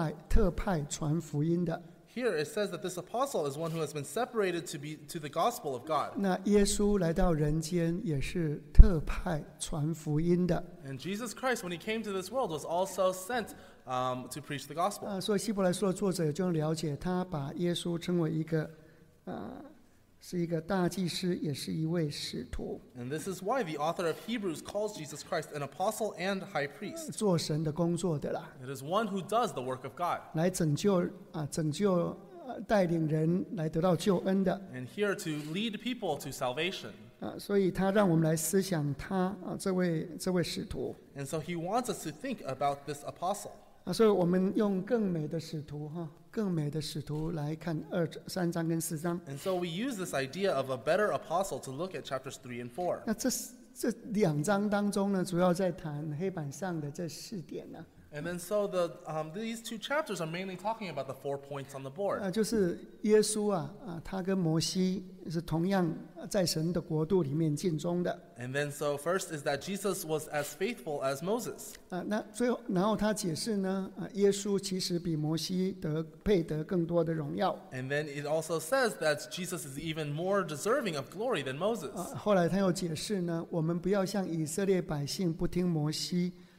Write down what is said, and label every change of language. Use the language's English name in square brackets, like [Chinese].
[English] Here it says that this apostle is one who has been separated to the gospel of God. [Chinese] 那耶稣来到人间也是特派传福音的。 [English] And Jesus Christ, when he came to this world, was also sent to preach the gospel. [Chinese] 所以希伯来书的作者就了解，他把耶稣称为一个是一个大祭司，也是一位使徒。 [English] And this is why the author of Hebrews calls Jesus Christ an apostle and high priest. [Chinese] 做神的工作的啦。 [English] It is one who does the work of God. [Chinese] 来拯救带领人来得到救恩的。 [English] And here to lead people to salvation. [Chinese] 所以他让我们来思想他这位使徒。 [English] And so he wants us to think about this apostle. [Chinese] 所以我们用更美的使徒哈。更美的使徒来看三章跟四章。 [English] And so we use this idea of a better apostle to look at chapters 3 and 4. [Chinese] 那这两章当中呢，主要在谈黑板上的这四点呢。 [English] And then so these two chapters are mainly talking about the four points on the board. [Chinese] 就是耶稣他跟摩西是同样在神的国度里面尽忠的。 [English] And then so first is that Jesus was as faithful as Moses. [Chinese] 然后他解释呢，耶稣其实比摩西配得更多的荣耀。 [English] And then it also says that Jesus is even more deserving of glory than Moses. [Chinese] 后来他又解释呢，我们不要像以色列百姓不听摩西。